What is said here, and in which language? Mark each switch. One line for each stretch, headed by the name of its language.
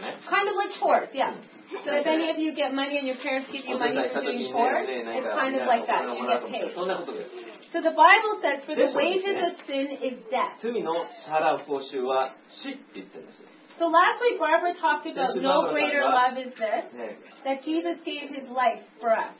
English: Kind of like chores, yeah. So if any of you get money and your parents give you money for doing chores, it's kind of like that. You get paid. So the Bible says, for the wages of sin is death.
Japanese: 罪の支払う報酬は死って言ってるんです。
English: So last week Barbara talked about no greater love is this, that Jesus gave his life for us.